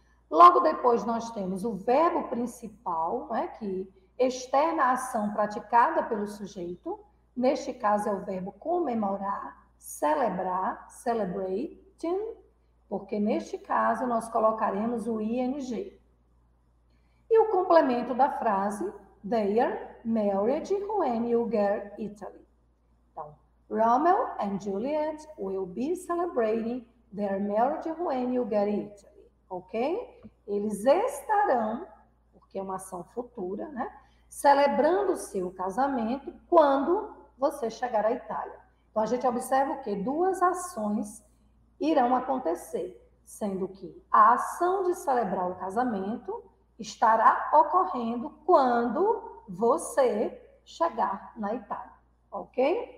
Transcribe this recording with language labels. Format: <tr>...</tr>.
<pt>Logo depois nós temos o verbo principal, né, que externa a ação praticada pelo sujeito. Neste caso é o verbo comemorar, celebrar, celebrating, porque neste caso nós colocaremos o ing. E o complemento da frase,</pt> <en>they are married when you get Italy.</en> <pt>Então,</pt> <en>Romeo and Juliet will be celebrating their marriage when you get Italy. Ok?</en> <pt>Eles estarão, porque é uma ação futura, né? Celebrando o seu casamento quando você chegar à Itália. Então, a gente observa o quê? Duas ações irão acontecer, sendo que a ação de celebrar o casamento estará ocorrendo quando você chegar na Itália, ok?</pt>